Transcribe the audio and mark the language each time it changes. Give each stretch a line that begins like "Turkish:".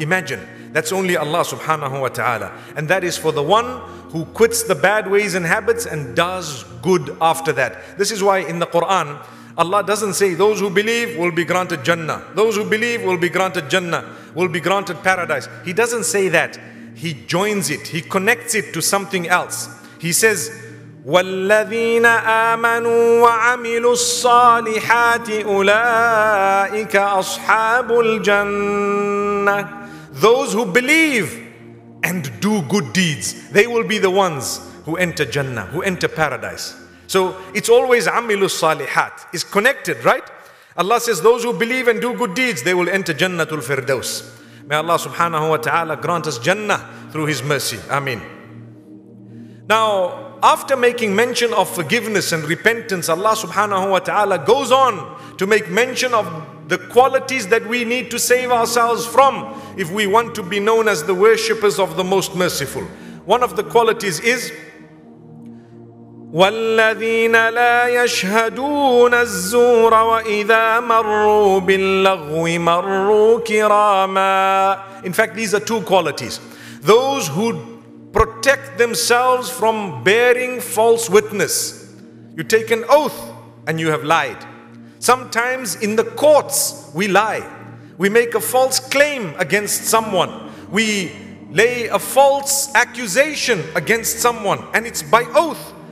English: Imagine, that's only Allah subhanahu wa ta'ala. And that is for the one who quits the bad ways and habits and does good after that. This is why in the Quran, Allah doesn't say those who believe will be granted Jannah. Those who believe will be granted Jannah, will be granted paradise. He doesn't say that. He joins it, he connects it to something else.
Arabic: He says, وَالَّذِينَ آمَنُوا وَعَمِلُوا الصَّالِحَاتِ أُولَٰئِكَ أَصْحَابُ الْجَنَّةِ.
English: Those who believe and do good deeds, they will be the ones who enter Jannah, who enter paradise. So it's always
Arabic: عَمِلُوا الصَّالِحَاتِ
English: is connected, right? Allah says those who believe and do good deeds, they will enter Jannatul Firdaus. May Allah subhanahu wa ta'ala grant us Jannah through His mercy. Ameen. Now, after making mention of forgiveness and repentance, Allah subhanahu wa ta'ala goes on to make mention of the qualities that we need to save ourselves from if we want to be known as the worshippers of the Most Merciful. One of the qualities is
Arabic: والذين لا يشهدون الزور وإذا مروا باللغو مروا كراما.
English: In fact, these are two qualities. Those who protect themselves from bearing false witness. You take an oath and you have lied. Sometimes in the courts we lie. We make a false claim against someone. We lay a false accusation against someone, and it's by oath.